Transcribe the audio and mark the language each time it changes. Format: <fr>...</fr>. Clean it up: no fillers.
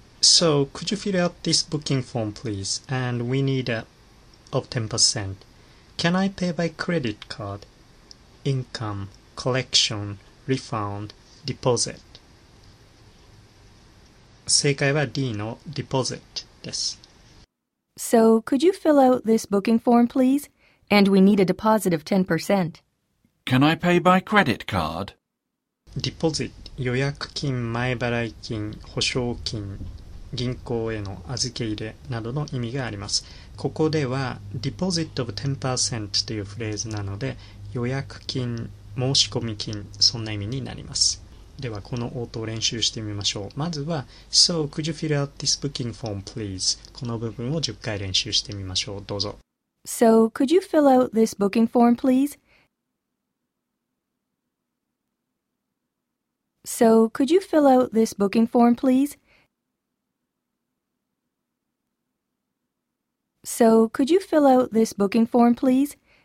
<en>So, could you fill out this booking form, please? And we need a of 10%. Can I pay by credit card? Income, collection, refund, deposit.</en> <ja>正解は D の deposit です。</ja> <en>So, could you fill out this booking form, please? And we need a deposit of 10%. Can I pay by credit card?</en> <ja>Deposit, 予約金、前払い金、保証金、銀行への預け入れなどの意味があります。ここでは</ja> <en>Deposit of 10%</en> <ja>というフレーズなので、予約金、申し込み金、そんな意味になります。ではこの応答を練習してみましょう。まずは</ja> <en>So, could you fill out this booking form, please?</en> <ja>この部分を10回練習してみましょう。どうぞ。</ja> <en>So, could you fill out this booking form, please? So, could you fill out this booking form, please? So, could you fill out this booking form, please?</en>